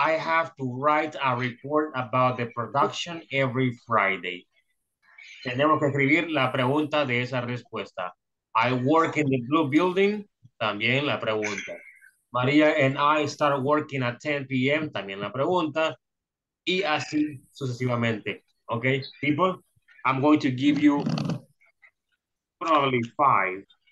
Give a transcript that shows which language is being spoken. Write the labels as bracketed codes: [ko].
[en] I have to write a report about the production every Friday. [es] Tenemos que escribir la pregunta de esa respuesta. [en] I work in the blue building. [es] También la pregunta. [en] María and I start working at 10 p.m. [es] También la pregunta. Y así sucesivamente. [en] Okay, people, I'm going to give you probably five.